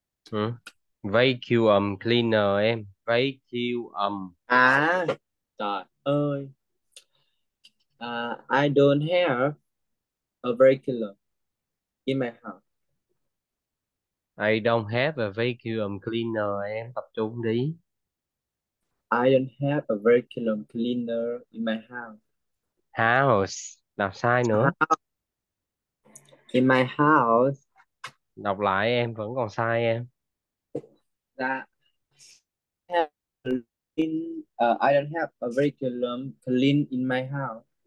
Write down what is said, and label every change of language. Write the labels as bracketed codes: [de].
[en] Ừ. Vacuum cleaner em, vacuum. [vi] À, trời ơi. [en] I don't have a regular in my house. I don't have a vacuum cleaner em, [vi] tập trung đi. [en] I don't have a vacuum cleaner in my house. [vi] House, đọc sai nữa. [en] My [vi] Đọc lại em, vẫn còn sai em. [en] that I don't have a vacuum clean in my house.